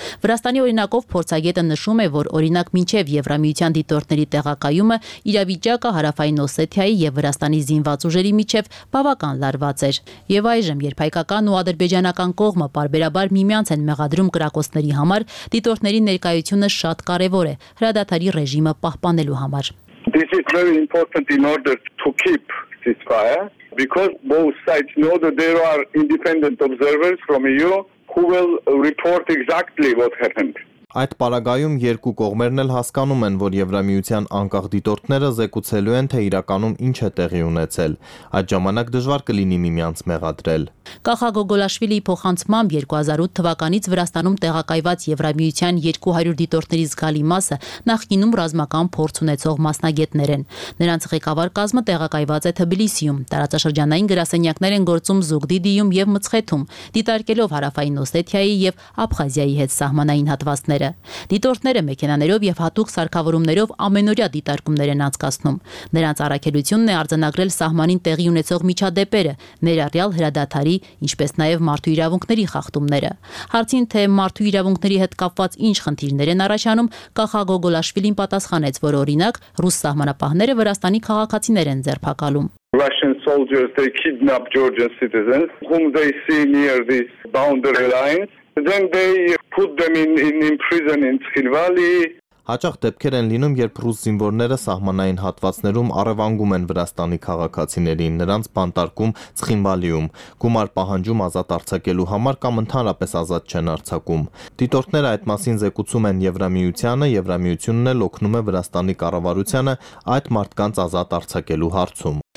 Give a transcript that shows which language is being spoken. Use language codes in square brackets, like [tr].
[hy] Վրաստանի օրինակով փորձագետը նշում է, որ օրինակ մինչև Եվրամիության դիտորդների տեղակայումը իրավիճակը Հարավային Օսեթիայի և Վրաստանի զինված ուժերի միջև բավական լարված էր։ Եվ այժմ, երբ հայկական ու ադրբեջանական կողմը պարբերաբար միմյանց են մեղադրում կրակոցների համար, դիտորդների ներկայությունը շատ կարևոր է հրադադարի ռեժիմը պահպանելու համար։ [en] This is very important in order to keep this fire because both sides know that there are independent observers from EU who will report exactly what happened. [hy] Այդ պարագայում երկու կողմերն էլ հասկանում են, որ Եվրամիության անկախ դիտորդները զեկուցելու են, թե իրականում ինչ է տեղի ունեցել։ Այդ ժամանակ դժվար կլինի միմյանց մեղադրել։ Կախա Գոգոլաշվիլիի փոխանցմամբ 2008 թվականից Վրաստանում տեղակայված Եվրամիության 200 դիտորդների զգալի մասը նախկինում ռազմական փորձ ունեցող մասնագետներ են։ Նրանց ղեկավար կազմը տեղակայված է Թբիլիսիում, տարածաշրջանային գրասենյակներ են գործում Զուգդիդիում և Մծխեթում, դիտարկելով Հարավային Օսեթիայի և Աբխազիայի հետ սահմանային հատվածը։ Դիտորդները մեքենաներով և հատուկ սարքավորումներով ամենօրյա դիտարկումներ են անցկացնում։ Նրանց առաքելությունն է արձանագրել սահմանին տեղի ունեցող միջադեպերը, ներառյալ հրադադարի, ինչպես նաև մարդու իրավունքների խախտումները։ Հարցին, թե մարդու իրավունքների հետ կապված ինչ խնդիրներ են առաջանում, Կախա Գոգոլաշվիլին պատասխանեց, որ օրինակ ռուս սահմանապահները Վրաստանի քաղաքացիներ են ձերբակալում։ [en] Russian soldiers they kidnap Georgian citizens whom they see near this boundary line. Then they put them in prison in Tskhinvali. [hy] Հաճախ դեպքեր են լինում, երբ ռուս զինվորները սահմանային հատվածներում առևանգում են Վրաստանի քաղաքացիներին, նրանց բանտարկում Ցխինվալիում, գումար պահանջում ազատ արձակելու համար կամ ընդհանրապես ազատ չեն արձակում։ Դիտորդները այդ մասին զեկուցում են Եվրամիությանը, Եվրամիությունն էլ օգնում է Վրաստանի կառավարությանը այդ մարդկանց ազատ արձակելու հարցում։